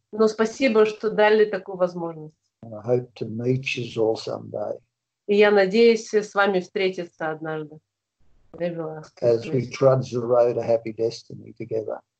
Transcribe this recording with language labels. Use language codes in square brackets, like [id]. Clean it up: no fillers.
[ru] Но спасибо, что дали такую возможность. [en] And I hope to meet you all someday. [ru] И я надеюсь с вами встретиться однажды. [en] As we trudge the road of happy destiny together.